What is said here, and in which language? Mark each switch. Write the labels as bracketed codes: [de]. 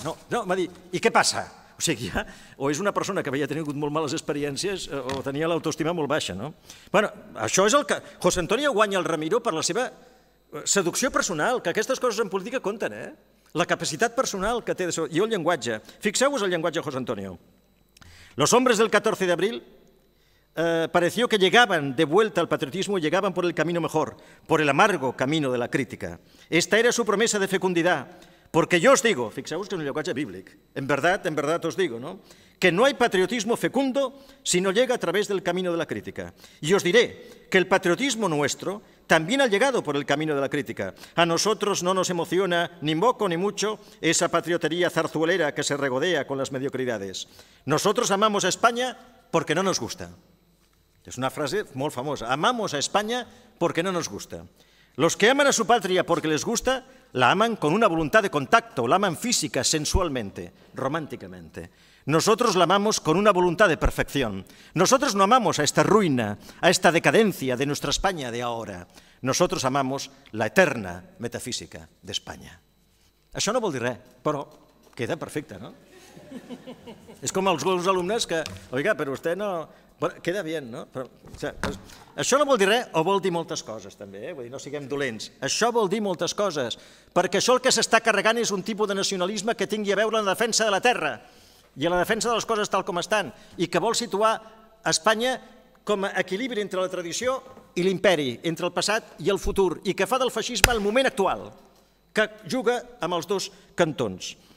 [ca] No, no, va dir, i què passa? O sigui, ja, o és una persona que havia tingut molt males experiències o tenia l'autoestima molt baixa, no? Bueno, això és el que... José Antonio guanya el Ramiro per la seva seducció personal, que aquestes coses en política compten, eh? La capacitat personal que té de ser... I el llenguatge. Fixeu-vos el llenguatge de José Antonio. [es] Los hombres del 14 de abril pareció que llegaban de vuelta al patriotismo y llegaban por el camino mejor, por el amargo camino de la crítica. Esta era su promesa de fecundidad, porque yo os digo, [ca] fixeu-vos que és un llenguatge bíblic, [es] en verdad os digo, no? Que no hay patriotismo fecundo si no llega a través del camino de la crítica. Y os diré que el patriotismo nuestro también ha llegado por el camino de la crítica. A nosotros no nos emociona, ni poco ni mucho, esa patriotería zarzuelera que se regodea con las mediocridades. Nosotros amamos a España porque no nos gusta. [ca] És una frase molt famosa. [es] Amamos a España porque no nos gusta. Los que aman a su patria porque les gusta, la aman con una voluntad de contacto, la aman física, sensualmente, románticamente. Nosotros la amamos con una voluntad de perfección. Nosotros no amamos a esta ruina, a esta decadencia de nuestra España de ahora. Nosotros amamos la eterna metafísica de España. [ca] Això no vol dir res, però queda perfecte, no? És com els dos alumnes que, oiga, però vostè no... Bueno, [es] queda bien, no? [ca] Però, això no vol dir res, o vol dir moltes coses, també, eh? Vull dir, no siguem dolents. Això vol dir moltes coses, perquè això el que s'està carregant és un tipus de nacionalisme que tingui a veure en la defensa de la terra i en la defensa de les coses tal com estan, i que vol situar Espanya com a equilibri entre la tradició i l'imperi, entre el passat i el futur, i que fa del feixisme el moment actual, que juga amb els dos cantons.